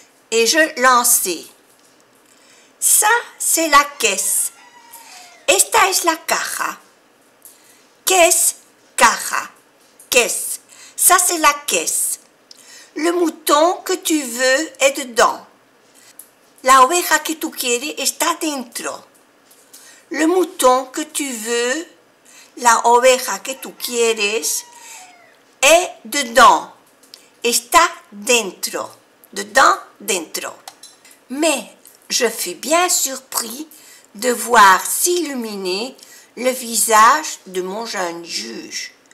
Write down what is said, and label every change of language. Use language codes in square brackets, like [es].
[fr] Et je lançais. Ça, c'est la caisse. [es] Esta es la caja. Caisse, caja. Caisse. [fr] Ça, c'est la caisse. Le mouton que tu veux est dedans. [es] La oveja que tu quieres está dentro. [fr] Le mouton que tu veux, [es] la oveja que tu quieres, [fr] est dedans. [es] Está dentro. Dedans, dentro. [fr] Mais je fus bien surpris de voir s'illuminer le visage de mon jeune juge.